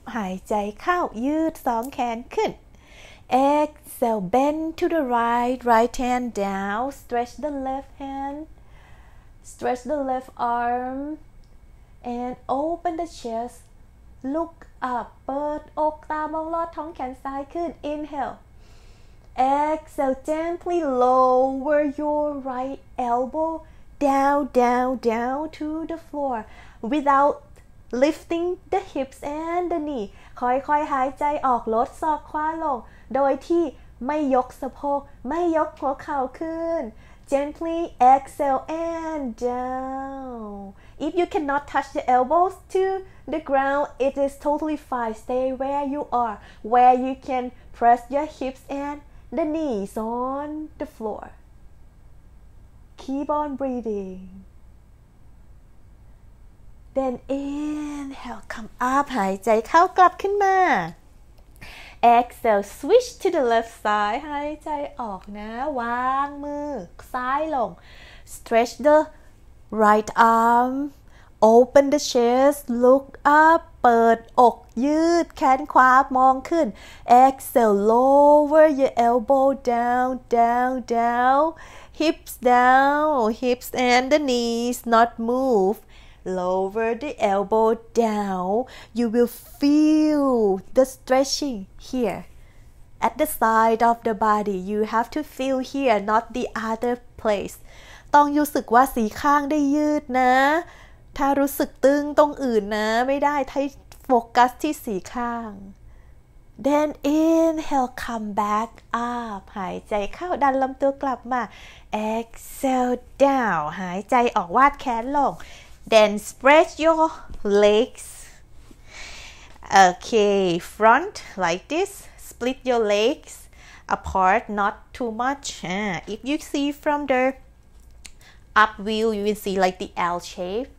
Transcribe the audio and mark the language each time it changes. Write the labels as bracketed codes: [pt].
[th] หายใจเข้ายืดสองแขนขึ้น [en] Exhale, bend to the right, right hand down. Stretch the left hand. Stretch the left arm. And open the chest. Look up. [th] เปิดอกตามองลอดท้องแขนซ้ายขึ้น [en] Inhale. Exhale, gently lower your right elbow down, down, down to the floor without lifting the hips and the knee. [th] ค่อยๆหายใจออกลดศอกขวาลงโดยที่ไม่ยกสะโพกไม่ยกหัวเข่าขึ้น [en] Gently exhale and down. If you cannot touch the elbows to the ground, it is totally fine. Stay where you are, where you can press your hips andThe knees on the floor. Keep on breathing. Then inhale, come up. [th] หายใจเข้ากลับขึ้นมา [en] Exhale, switch to the left side. [th] หายใจออกนะวางมือซ้ายลง [en] Stretch the right arm. Open the chest. Look up. [th] เปิดอกยืดแขนขวามองขึ้น [en] Exhale, lower your elbow down, down, down. Hips down, hips and the knees not move. Lower the elbow down. You will feel the stretching here. At the side of the body, you have to feel here, not the other place. [th] ต้องรู้สึกว่าสีข้างได้ยืดนะถ้ารู้สึกตึงตรงอื่นนะไม่ได้ให้โฟกัสที่สีข้าง [en] Then inhale come back up [th] หายใจเข้าดันลำตัวกลับมา [en] Exhale down [th] หายใจออกวาดแขนลง [en] Then stretch your legs Okay front like this split your legs apart not too much if you see from theUp view, you will see like the L shape.